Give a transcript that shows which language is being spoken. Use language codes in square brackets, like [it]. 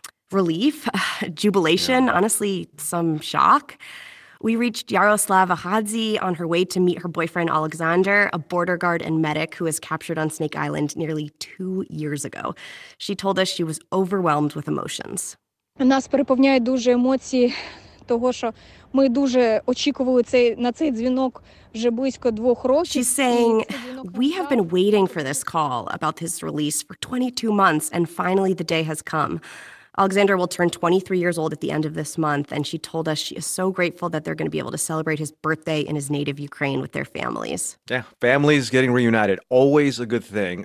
[en] Relief, jubilation, yeah. Honestly, some shock. We reached Yaroslav Ahadze on her way to meet her boyfriend, Alexander, a border guard and medic who was captured on Snake Island nearly 2 years ago. She told us she was overwhelmed with emotions. [uk] Нас переповняє дуже емоції того, що ми дуже очікували цей на цей дзвінок вже близько двох років. [en] She's saying, we have been waiting for this call about his release for 22 months, and finally the day has come. Alexander will turn 23 years old at the end of this month, and she told us she is so grateful that they're going to be able to celebrate his birthday in his native Ukraine with their families. Yeah, families getting reunited, always a good thing.